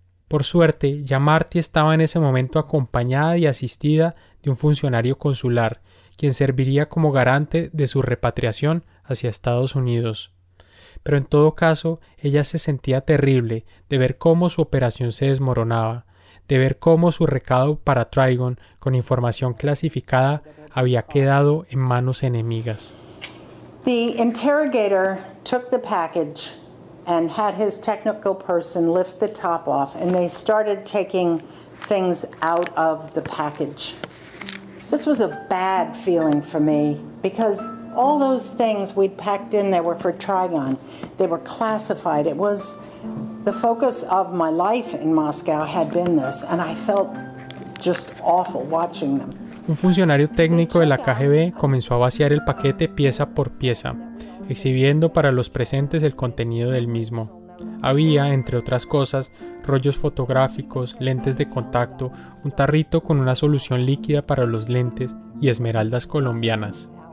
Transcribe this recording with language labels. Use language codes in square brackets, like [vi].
[es] Por suerte, ya Marty estaba en ese momento acompañada y asistida de un funcionario consular, quien serviría como garante de su repatriación hacia Estados Unidos. Pero en todo caso, ella se sentía terrible de ver cómo su operación se desmoronaba, de ver cómo su recado para Trigon con información clasificada había quedado en manos enemigas. [en] The interrogator took the package and had his technical person lift the top off, and they started taking things out of the package. This was a bad feeling for me because all those things we'd packed in there were for Trigon. They were classified. It was the focus of my life in Moscow had been this, and I felt just awful watching them. [es] Un funcionario técnico de la KGB comenzó a vaciar el paquete pieza por pieza, exhibiendo para los presentes el contenido del mismo. Había, entre otras cosas, rollos fotográficos, lentes de contacto, un tarrito con una solución líquida para los lentes y esmeraldas colombianas.